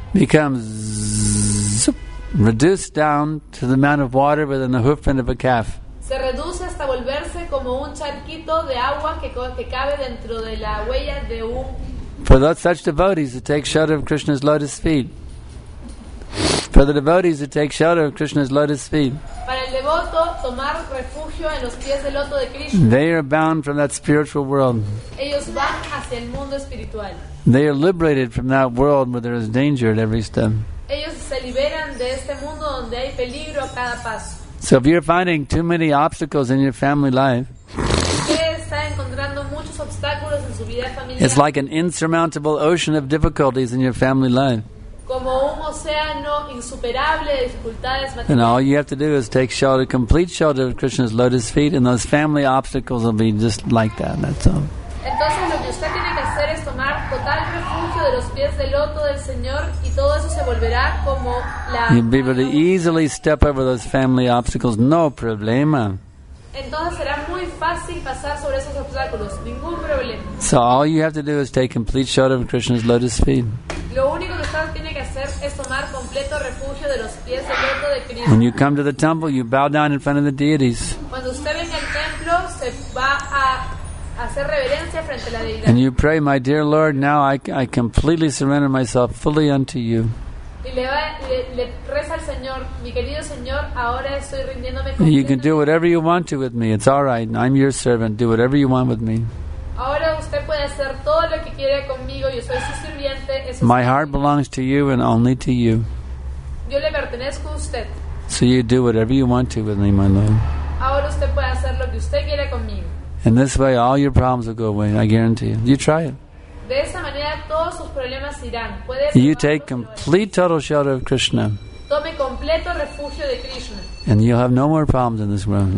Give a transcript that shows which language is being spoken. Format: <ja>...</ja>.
<en>becomes reduced down to the amount of water within the hoofprint of a calf.</en> <es>Se reduce hasta volverse como un charquito de agua que cabe dentro de la huella de un.</es> <en>For those such devotees who take shelter of Krishna's lotus feet. For the devotees who take shelter of Krishna's lotus feet.</en> <es>Para el devoto tomar refugio en los pies del loto de Krishna.</es> <en>They are bound from that spiritual world.</en> <es>Ellos van hacia el mundo espiritual.</es> <en>They are liberated from that world where there is danger at every step.</en> <es>Ellos se liberan de este mundo donde hay peligro a cada paso.</es> <en>So if you're finding too many obstacles in your family life, it's like an insurmountable ocean of difficulties in your family life.</en> <es>Como un océano insuperable de dificultades materiales.</es> <en>And all you have to do is take shelter, complete shelter of Krishna's lotus feet, and those family obstacles will be just like that. That's all.</en> <es>Entonces lo que usted tiene que hacer es tomar total refugio de los pies del loto del Señor, y todo eso se volverá como la.</es> <en>You'll be able to easily step over those family obstacles,</en> <es>no problema. Entonces será muy fácil pasar sobre esos obstáculos, ningún problema.</es> <en>So all you have to do is take complete shelter of Krishna's lotus feet.</en> <es>Lo hacer es tomar completo refugio de los pies del Cristo.</es> <en>When you come to the temple, you bow down in front of the deities.</en> <es>Cuando usted viene al templo, se va a hacer reverencia frente a la deidad.</es> <en>And you pray, my dear Lord, now I completely surrender myself fully unto you.</en> <es>Y le reza al Señor, mi querido Señor, ahora estoy rindiéndome completamente.</es> <en>You can do whatever you want to with me. It's all right. I'm your servant. Do whatever you want with me.</en> <es>Ahora usted puede hacer todo lo que quiera conmigo. Yo soy su sirviente.</es> <en>My heart belongs to you and only to you.</en> <es>Yo le pertenezco a usted.</es> <en>So you do whatever you want to with me, my Lord.</en> <es>Ahora usted puede hacer lo que usted quiera conmigo.</es> <en>In this way, all your problems will go away. I guarantee you. You try it.</en> <es>De esa manera, todos sus problemas irán. Puedes.</es> <en>You take complete total shelter of Krishna.</en> <es>Tome completo refugio de Krishna.</es> <en>And you'll have no more problems in this world.</en>